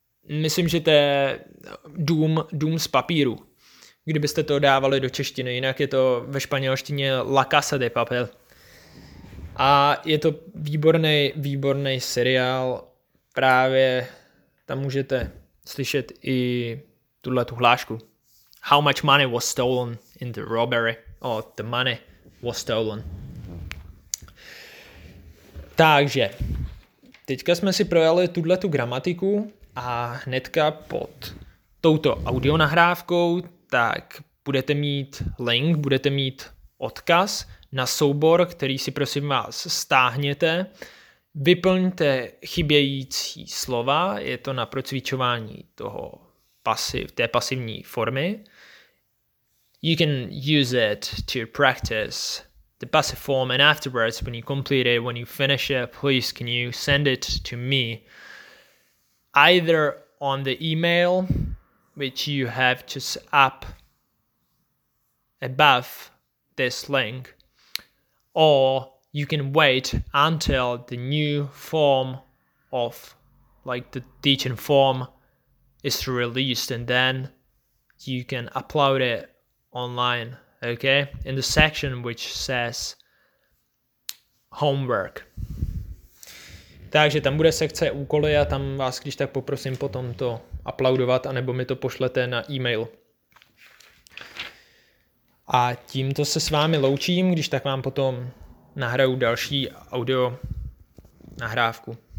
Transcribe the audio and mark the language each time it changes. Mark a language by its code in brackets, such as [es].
[cs] Myslím, že to je dům z papíru. kdybyste to dávali do češtiny, jinak je to ve španělštině La Casa de Papel. A je to výborný, výborný seriál, právě tam můžete slyšet i tuhle tu hlášku. [en] How much money was stolen in the robbery? Oh, the money was stolen. [cs] Takže, teďka jsme si projeli tuhle tu gramatiku a hnedka pod touto audionahrávkou, tak budete mít link, budete mít odkaz na soubor, který si prosím vás stáhněte. Vyplňte chybějící slova, je to na procvičování toho té pasivní formy. [en] You can use it to practice the passive form and afterwards when you complete it, when you finish it, please can you send it to me either on the email which you have just up above this link, or you can wait until the new form of like the teaching form is released and then you can upload it online, okay, in the section which says homework. [cs] Takže tam bude sekce úkoly a tam vás když tak poprosím potom to uploadovat anebo mi to pošlete na e-mail. A tímto se s vámi loučím, když tak vám potom nahraju další audio nahrávku.